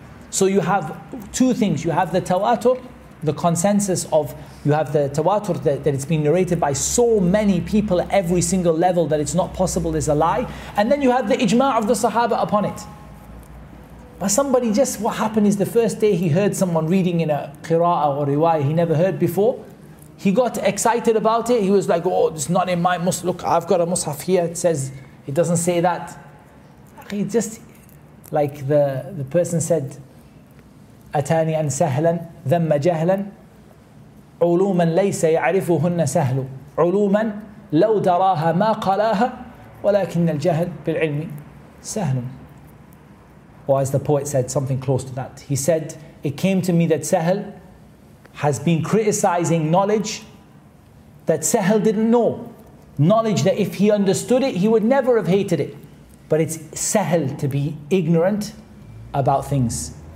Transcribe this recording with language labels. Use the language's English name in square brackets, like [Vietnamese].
[English] So you have two things: you have the tawatur, the consensus of, you have the tawatur that it's been narrated by so many people at every single level that it's not possible is a lie, and then you have the ijma' of the sahaba upon it. But somebody, just what happened is the first day he heard someone reading in a qira'ah or riwayah he never heard before, he got excited about it. He was like, oh, it's not in my mushaf. Look, I've got a mushaf here. It says, it doesn't say that. He just, like the person said, [Arabic] أتاني أن سهلا ذم جهلا علوما ليس يعرفهن سهل علوما لو دراها ما قلاها ولكن الجهل بالعلم سهل. [English] Or as the poet said, something close to that. He said, it came to me that sahl has been criticizing knowledge that Sahel didn't know. Knowledge that if he understood it, he would never have hated it. But it's Sahel to be ignorant about things.